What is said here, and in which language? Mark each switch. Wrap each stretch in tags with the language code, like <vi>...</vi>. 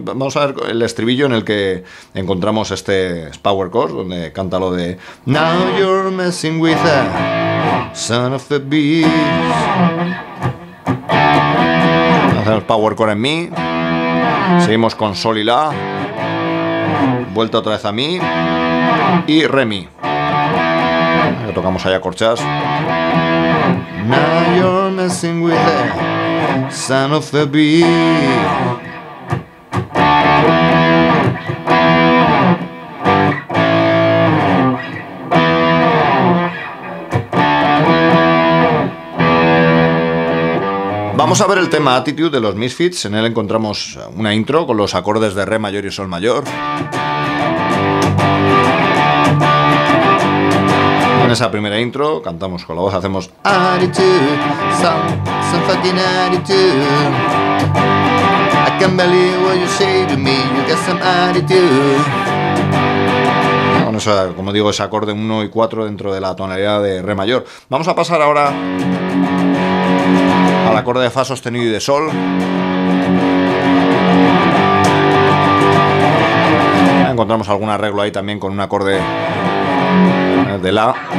<es>Vamos a ver el estribillo en el que encontramos este power chord, donde canta lo de</es> <en>Now you're messing with a son of the beast.</en> <es>Hacemos power chord en mi. Seguimos con sol y la. Vuelta otra vez a mi. Y re mi. Lo tocamos ahí a corchas.</es> <en>Now you're messing with a son of the bee.</en> <es>Vamos a ver el tema Attitude de los Misfits. En él encontramos una intro con los acordes de re mayor y sol mayor. En esa primera intro cantamos con la voz, hacemos</es> <en>attitude, some fucking attitude. I can't believe what you say to me, you got some attitude.</en> <es>Bueno, eso, como digo, ese acorde 1 y 4 dentro de la tonalidad de re mayor. Vamos a pasar ahora al acorde de fa sostenido y de sol. Encontramos algún arreglo ahí también con un acorde de la.</es>